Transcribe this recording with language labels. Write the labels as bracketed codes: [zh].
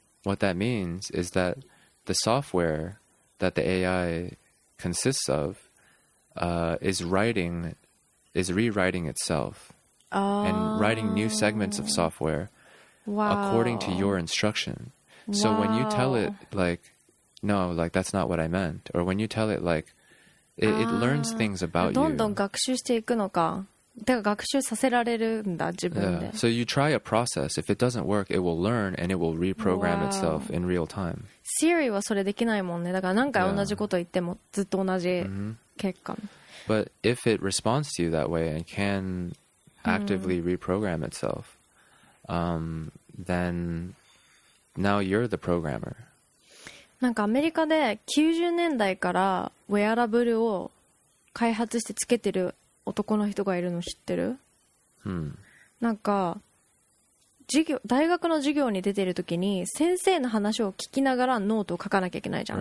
[en] What that means is that the software that the AI consists of is rewriting itself. Oh. And writing new segments of software. Wow. According to your instruction. So wow. When you tell it like, no, like that's not what I meant. Or when you tell it like, it learns things about you. [ja] どんどん学習していくのか。 [en] So you try a process. If it doesn't work, it will learn and it will reprogram itself in real time. [ja] Siri はそれできないもんね。だから何回同じこと言ってもずっと同じ結果。 [en] But if it responds to you that way and can actively reprogram itself, then now you're the programmer. [ja] なんかアメリカで90年代からウェアラブルを開発してつけてる男の人がいるの知ってる？なんか授業大学の授業に出てる時に先生の話を聞きながらノートを書かなきゃいけないじゃん、